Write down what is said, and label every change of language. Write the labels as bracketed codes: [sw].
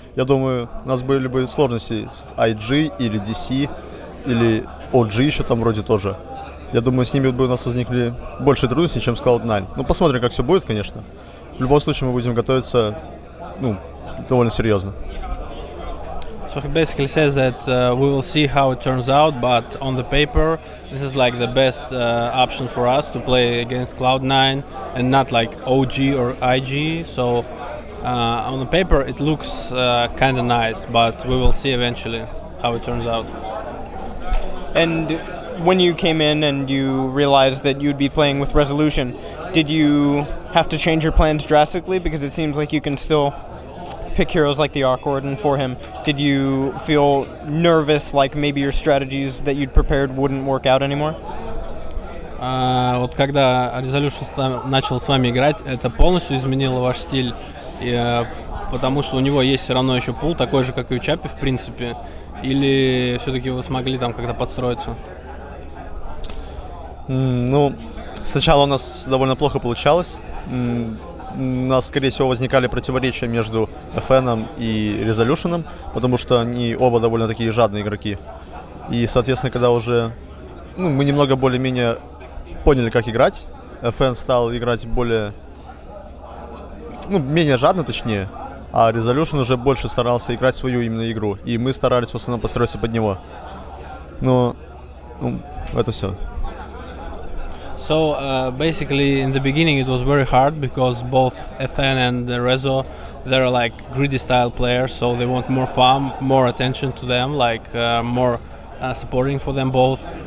[ru] Я думаю, у нас были бы сложности с IG или DC, или OG еще там вроде тоже. Я думаю, с ними бы у нас возникли больше трудностей, чем с Cloud9. Ну, посмотрим, как все будет, конечно. В любом случае, мы будем готовиться, ну, довольно серьезно. [en] So he basically says that we will see how it turns out, but on the paper, this is like the best option for us to play against Cloud9 and not like OG or IG, so... on the paper it looks kind of nice, but we will see eventually how it turns out. And when you came in and you realized that you'd be playing with Resolution, did you have to change your plans drastically? Because it seems like you can still pick heroes like the Arc Warden for him. Did you feel nervous, like maybe your strategies that you'd prepared wouldn't work out anymore? [ru] Вот когда Resolution начал с вами играть, это полностью изменило ваш стиль? И, потому что у него есть все равно еще пул такой же, как и у Чапи, в принципе. Или все-таки вы смогли там как-то подстроиться? Ну, сначала у нас довольно плохо получалось. У нас, скорее всего, возникали противоречия между FN и Resolution, потому что они оба довольно такие жадные игроки. И, соответственно, когда уже, ну, мы немного более-менее поняли, как играть, FN стал играть более... Ну, менее жадно, точнее. А Resolution уже больше старался играть свою именно игру. И мы старались в основном построиться под него. Но, ну, это все. [en] So, basically, in the beginning it was very hard, because both FN and Rezo, they're like greedy style players, so they want more farm, more attention to them, like more supporting for them both.